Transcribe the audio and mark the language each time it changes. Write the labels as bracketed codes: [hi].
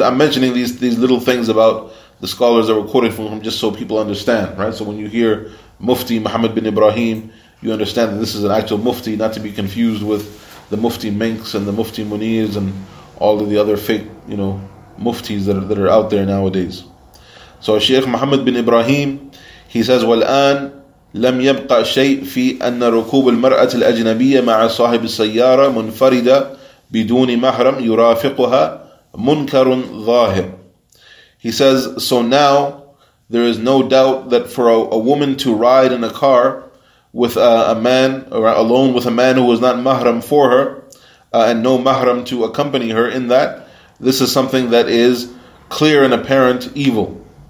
[en] I'm mentioning these little things about the scholars that were quoted from him, just so people understand, right? So when you hear Mufti Muhammad bin Ibrahim, you understand that this is an actual Mufti, not to be confused with the Mufti Minks and the Mufti Muniz and all of the other fake, you know, muftis that are out there nowadays. So Sheikh Muhammad bin Ibrahim, he says, [ar] وَالْآنْ لَمْ يَبْقَى شَيْءٍ فِي أَنَّ رُكُوبُ الْمَرْأَةِ الْأَجْنَبِيَّةِ مَعَ صَاحِبِ السَّيَّارَةِ مُنْفَرِدَ بِدُونِ مَحْرَمٍ يُرَافِقُهَا مُنْكَرٌ ظَاهِرٌ. [en] He says, so now there is no doubt that for a woman to ride in a car with a man, or alone with a man who was not mahram for her, and no mahram to accompany her in that, this is something that is clear and apparent evil.